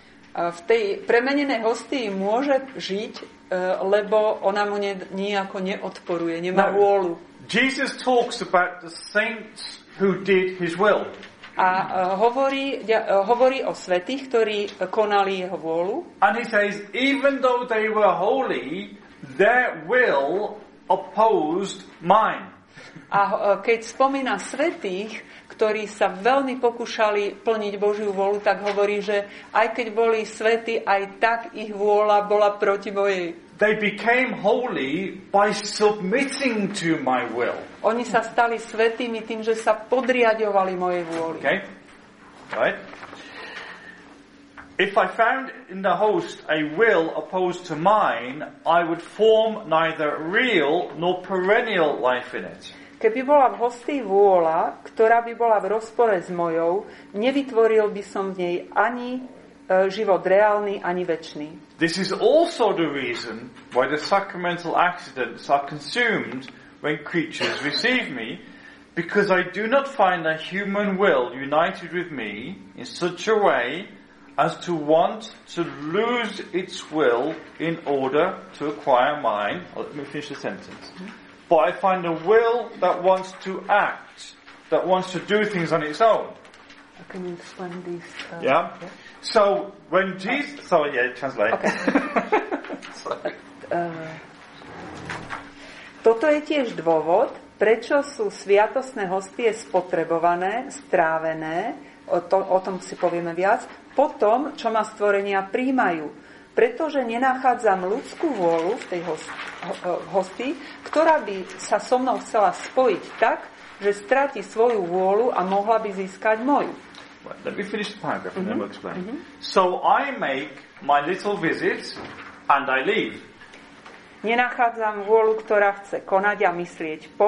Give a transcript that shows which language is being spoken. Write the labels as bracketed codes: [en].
[sk] V tej premenenej hostii môže žiť, lebo ona mu nejako neodporuje, nemá vôľu. [en] Jesus talks about the saints who did his will. [sk] A hovorí o svätých, ktorí konali jeho vôľu. [en] And he says, even though they were holy, their will opposed mine. [sk] A keď spomína svätých, ktorí sa veľmi pokúšali plniť Božiu vôľu, tak hovorí, že aj keď boli svätí, aj tak ich vôľa bola proti mojej. [en] They became holy by submitting to my will. [sk] Oni sa stali svätými tým, že sa podriadovali mojej vôli. [en] Okay. Right. If I found in the host a will opposed to mine, I would form neither real nor perennial life in it. [sk] Keby bola v hostí vôľa, ktorá by bola v rozpore s mojou, nevytvoril by som v nej ani život reálny, ani večný. [en] This is also the reason why the sacramental accidents are consumed when creatures receive me, because I do not find a human will united with me in such a way as to want to lose its will in order to acquire mine. Let me finish the sentence. But I find a will that wants to act, that wants to do things on its own. Can you explain this? Yeah. So when Jesus... Sorry, yeah, translate. Okay. [sk] Toto je tiež dôvod, prečo sú sviatostné hostie spotrebované, strávené, o tom si povieme viac, po tom, čo ma stvorenia príjmajú. Pretože nenachádzam ľudskú vôľu v tej hosti, ktorá by sa so mnou chcela spojiť tak, že stráti svoju vôľu a mohla by získať moju. [en] Let me finish the paragraph and then we'll explain. Mm-hmm. So I make my little visits and I leave. [sk] Nenachádzam vôľu, ktorá chce konať a myslieť.